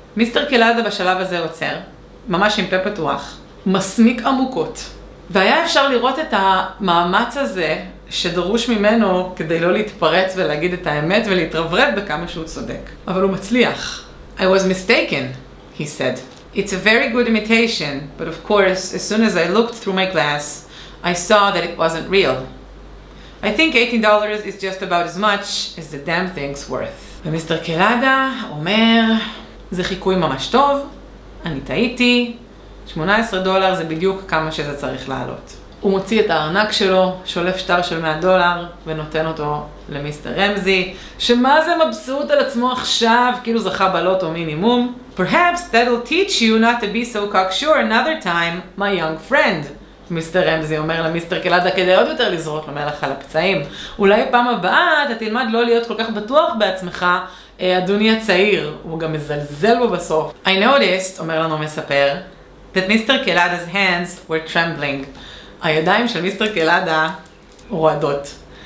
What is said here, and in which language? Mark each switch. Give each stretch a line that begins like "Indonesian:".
Hebrew: מיסטר קלאדה בשלב הזה עוצר, ממש עם פה פתוח, מסמיק עמוקות, והיה אפשר לראות את המאמץ הזה שדרוש ממנו כדי לא להתפרץ ולהגיד את האמת ולהתרברב בכמה שהוא צודק, אבל הוא מצליח.
English: I was mistaken, he said. It's a very good imitation, but of course, as soon as I looked through my glass, I saw that it wasn't real. I think $18 is just about as much as the damn thing's worth.
Hebrew: ומיסטר קלאדה אומר, זה חיקוי ממש טוב, אני טעיתי, $18 זה בדיוק כמה שזה צריך לעלות. הוא מוציא את הארנק שלו, שולף שטר של $100 ונותן אותו למיסטר רמזי, שמה זה מבסוט על עצמו עכשיו, כאילו זכה בלוטו מינימום.
English: Perhaps that'll teach you not to be so cocksure another time, my young friend.
Hebrew: מיסטר רמזי אומר למיסטר קלאדה כדי עוד יותר לזרות למלח על הפצעים. אולי פעם הבאה אתה תלמד לא להיות כל כך בטוח בעצמך, אדוני הצעיר. הוא גם מזלזל בו בסוף.
English: I noticed,
Hebrew: אומר לנו מספר,
English: that Mr. Kelada's hands were trembling.
Hebrew: הידיים של מיסטר קלאדה רועדות.